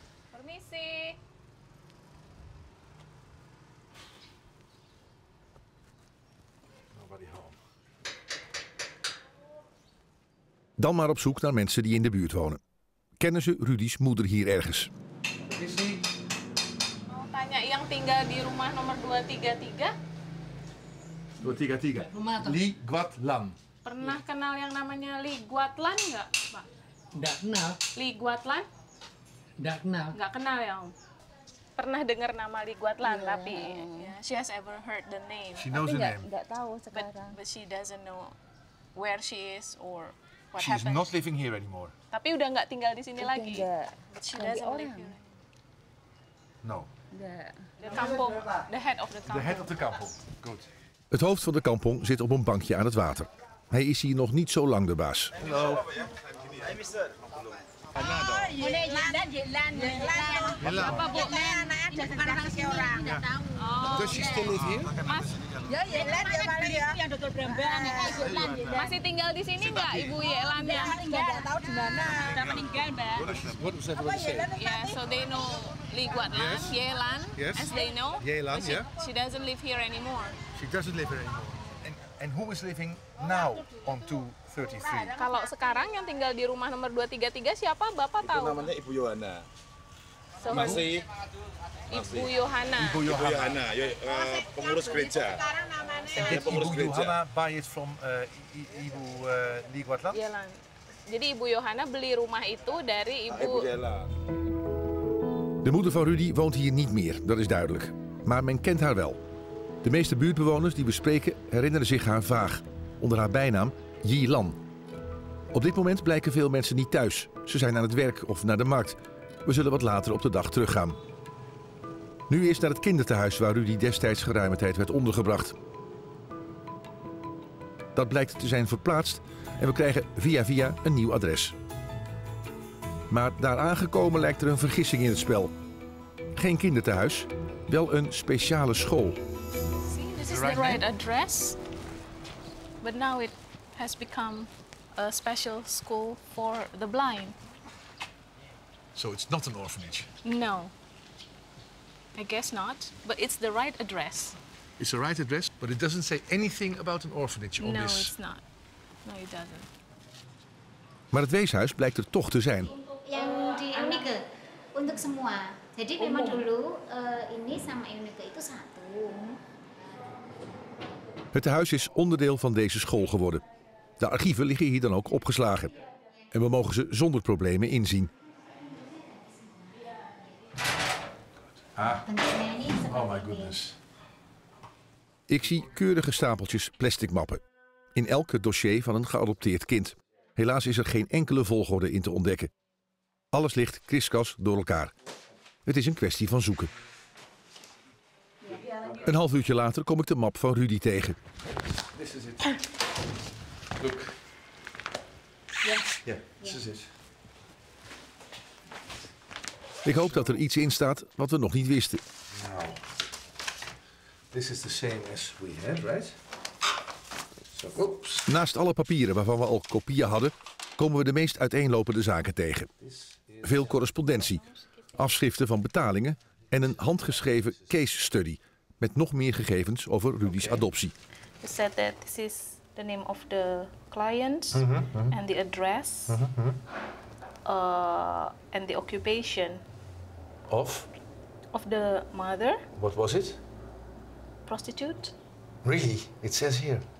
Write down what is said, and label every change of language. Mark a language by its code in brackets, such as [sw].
[nl] Permissie. Dan maar op zoek naar mensen die in de buurt wonen. Kennen ze Rudy's moeder hier ergens? [id] Tanya yang tinggal di rumah nomor 233. 233. Li Guat Lam. Pernah kenal yang namanya Li Guat Lam enggak, Pak? Enggak kenal. Li Guat Lam? Enggak kenal. Enggak kenal ya, Om. Pernah dengar nama Li Guat Lam, yeah. [en] Tapi yeah, she has ever heard the name. She knows the name. [id] Enggak tahu sekarang. [en] But she doesn't know where she is or what she happened. Is not living here anymore. [id] Tapi udah nggak tinggal di sini lagi. Enggak. [en] But she doesn't live here. No. kampong. The head of the kampong. The head of the kampong. Goed. [nl] Het hoofd van de kampong zit op een bankje aan het water. Hij is hier nog niet zo lang de baas. [en] Hallo. Hey, mister. [id] Masih tinggal di sini enggak Ibu Yelan ya? Enggak tahu di mana. Meninggal, Mbak. [en] So they know Li Guatlan, Yelan, as they know. Yelan, yeah. She doesn't live here anymore. She doesn't live here anymore. And who is living now on 233? [id] Kalau sekarang yang tinggal di rumah nomor 233 siapa Bapak tahu? Itu namanya Ibu Yohana. So, masih Ibu Yohana. Ibu Yohana, pengurus gereja. Sekarang namanya Ibu Yohana [en] buy it from [id] Ibu Li Guatlan. Jadi Ibu Yohana beli rumah itu dari Ibu [nl] De moeder van Rudy woont hier niet meer, dat is duidelijk. Maar men kent haar wel. De meeste buurtbewoners die we spreken herinneren zich haar vaag, onder haar bijnaam Yi Lan. Op dit moment blijken veel mensen niet thuis. Ze zijn aan het werk of naar de markt. We zullen wat later op de dag teruggaan. Nu eerst naar het kinderthuis waar Rudy destijds geruime tijd werd ondergebracht. Dat blijkt te zijn verplaatst en we krijgen via via een nieuw adres. Maar daar aangekomen lijkt er een vergissing in het spel. Geen kinderthuis, wel een speciale school. This is the right address, but now it has become a special school for the blind. So it's not an orphanage? No, I guess not, but it's the right address. It's the right address, but it doesn't say anything about an orphanage on this. No, it's not. No, it doesn't. Maar het weeshuis blijkt er toch te zijn. [id] Yang di Unike, untuk semua. Jadi memang dulu ini sama Unike itu satu. [nl] Het huis is onderdeel van deze school geworden. De archieven liggen hier dan ook opgeslagen. En we mogen ze zonder problemen inzien. [en] Ah. Oh my goodness. [nl] Ik zie keurige stapeltjes plastic mappen. In elk dossier van een geadopteerd kind. Helaas is er geen enkele volgorde in te ontdekken. Alles ligt kriskas door elkaar. Het is een kwestie van zoeken. Een half uurtje later kom ik de map van Rudy tegen. [en] This is it. Look. Yeah, this is it. [nl] Ik hoop dat er iets in staat wat we nog niet wisten. [en] Now, this is the same as we had, right? So, oops. [nl] Naast alle papieren waarvan we al kopieën hadden, komen we de meest uiteenlopende zaken tegen. Veel correspondentie, afschriften van betalingen en een handgeschreven case study. Met nog meer gegevens over Rudy's adoptie. [en] You said that this is the name of the client mm-hmm. and the address and the occupation of the mother. What was it? Prostitute. Really? It says here.